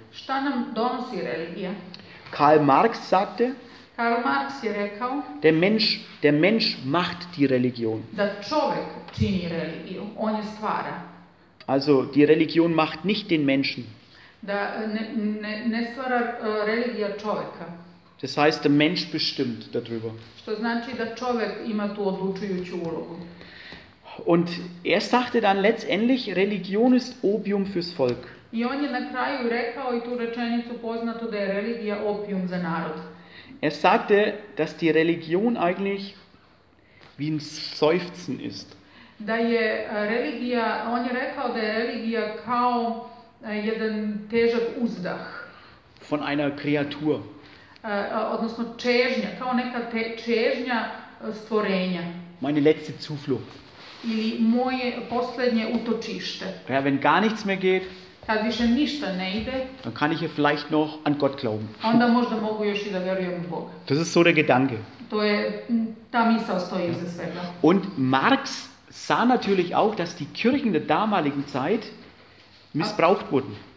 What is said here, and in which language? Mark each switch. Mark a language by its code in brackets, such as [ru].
[sr] Šta nam donosi religija? [de] Karl Marx sagte. [sr] Karl Marx je rekao. [de] Der Mensch macht die Religion. [sr] Da čovjek čini religiju, on je stvara. [de] Also die Religion macht nicht den Menschen. [sr] Da ne stvara religija čovjeka. [de] Das heißt, der Mensch bestimmt darüber. [sr] Što znači da čovjek ima tu odlučujuću ulogu. [de] Und er sagte dann letztendlich, Religion ist Opium fürs Volk. [sr] I on je na kraju rekao i tu rečenicu poznatu da je religija opium za narod. [de] Er sagte, dass die Religion eigentlich wie ein Seufzen ist. [sr] Da je religija, on je rekao da je religija kao jedan težak uzdah. [de] Von einer Kreatur. [sr] Odnosno čežnja, kao neka čežnja stvorenja. [de] Meine letzte Zuflucht. [sr] Ili moje posljednje utočište. [de] Ja, wenn gar nichts mehr geht, [sr] kad više ništa ne ide, [de] dann kann ich ja vielleicht noch an Gott glauben. [sr] Onda možda mogu još i da vjerujem u Boga. [de] Das ist so der Gedanke. [sr] To je, ta misao stoji iza svega. [de] Und Marx sah natürlich auch, dass die Kirchen der damaligen Zeit missbraucht wurden.